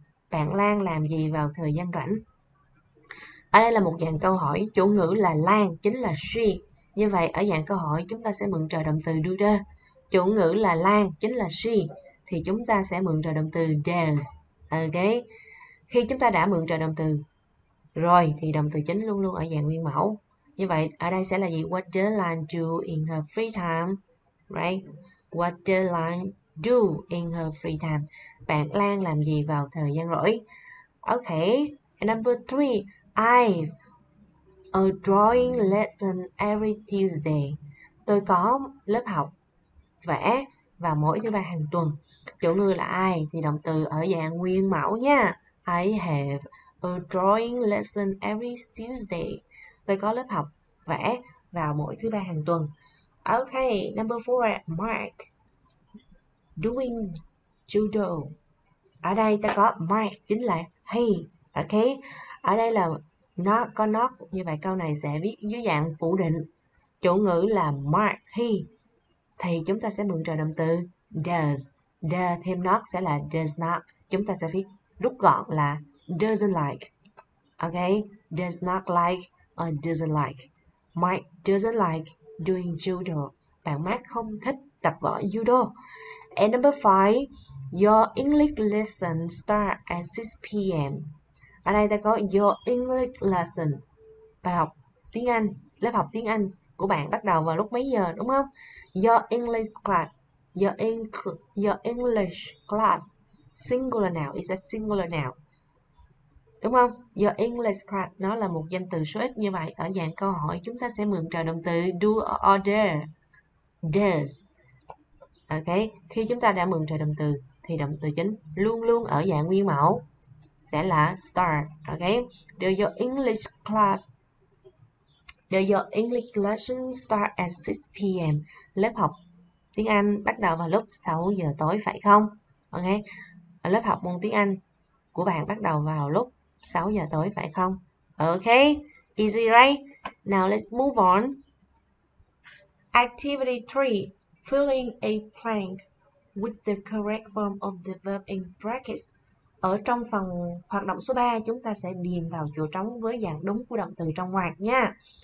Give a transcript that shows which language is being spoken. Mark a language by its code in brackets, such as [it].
[vi] Bạn Lan làm gì vào thời gian rảnh? Ở đây là một dạng câu hỏi, chủ ngữ là Lan, chính là she. Như vậy ở dạng câu hỏi chúng ta sẽ mượn trợ động từ do. Chủ ngữ là Lan, chính là she, thì chúng ta sẽ mượn trợ động từ does. Ok. Khi chúng ta đã mượn trợ động từ rồi thì động từ chính luôn luôn ở dạng nguyên mẫu. Như vậy ở đây sẽ là gì? [en] What does Lan do in her free time? Right? What does Lan do in her free time? [vi] Bạn Lan làm gì vào thời gian rỗi? Ok. [en] Number 3, I a drawing lesson every Tuesday. [vi] Tôi có lớp học vẽ vào mỗi thứ ba hàng tuần. Chủ ngữ là ai? Thì động từ ở dạng nguyên mẫu nha. [en] I have a drawing lesson every Tuesday. [vi] Tôi có lớp học vẽ vào mỗi thứ ba hàng tuần. Ok, [en] number 4, Mark doing judo. [vi] Ở đây ta có Mark chính là he. Ok, ở đây là not, có not, như vậy câu này sẽ viết dưới dạng phủ định. Chủ ngữ là Mark he, thì chúng ta sẽ mượn trợ động từ does. Does thêm not sẽ là does not. Chúng ta sẽ viết rút gọn là doesn't like. [en] Ok, does not like or doesn't like. Mark doesn't like doing judo. [vi] Bạn Mark không thích tập võ judo. [en] And number 5, your English lesson start at 6 p.m. [vi] Ở đây ta có your English lesson, bài học tiếng Anh, lớp học tiếng Anh của bạn bắt đầu vào lúc mấy giờ, đúng không? [en] Your English class, singular noun, is a singular noun, [vi] đúng không? Your English class, nó là một danh từ số ít. Như vậy ở dạng câu hỏi chúng ta sẽ mượn trợ động từ do or there, does. Ok, khi chúng ta đã mượn trợ động từ thì động từ chính luôn luôn ở dạng nguyên mẫu sẽ là start. Ok, [en] do your English class Your English lesson start at 6 p.m. [vi] Lớp học tiếng Anh bắt đầu vào lúc 6 giờ tối phải không? Ok. Lớp học môn tiếng Anh của bạn bắt đầu vào lúc 6 giờ tối phải không? [en] Ok. Easy right? Now let's move on. Activity 3. Fill in a blank with the correct form of the verb in brackets. [vi] Ở trong phần hoạt động số 3, chúng ta sẽ điền vào chỗ trống với dạng đúng của động từ trong ngoặc nha.